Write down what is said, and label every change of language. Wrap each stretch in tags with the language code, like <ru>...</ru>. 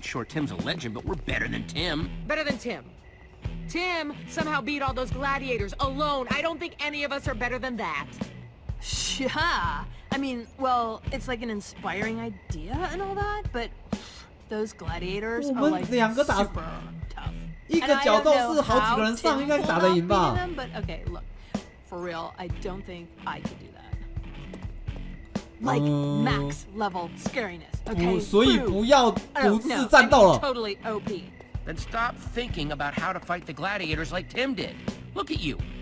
<en>Sure, Tim's a legend, but we're better than Tim. Better than Tim. Tim somehow beat all those gladiators alone. I don't think any of us are better than that. Yeah. I mean, well, it's like an inspiring idea and all that, but those gladiators are like super tough.</en> <zh>一个角斗士好几个人上应该打得赢吧。</zh> <en>But okay, look, for real, I don't think I could do that. Like max level scariness. Okay.</en> <zh>所以不要独自战斗了。</zh> <en>Totally OP. Then stop thinking about how to fight the gladiators like Tim did. Look at you.</en>